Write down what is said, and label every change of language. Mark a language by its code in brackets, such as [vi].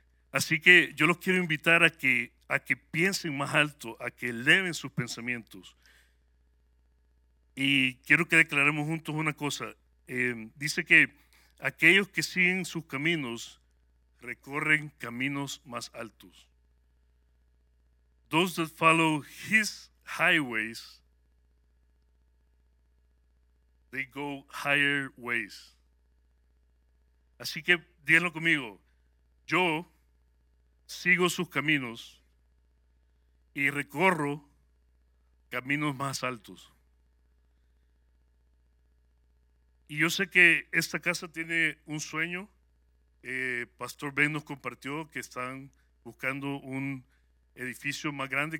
[es] Así que yo los quiero invitar a que piensen más alto, a que eleven sus pensamientos. Y quiero que declaremos juntos una cosa. Dice que aquellos que siguen sus caminos recorren caminos más altos. [en] Those that follow his highways, they go higher ways. [es] Así que díganlo conmigo. Yo sigo sus caminos y recorro caminos más altos. Y yo sé que esta casa tiene un sueño. Pastor Ben nos compartió que están buscando un edificio más grande.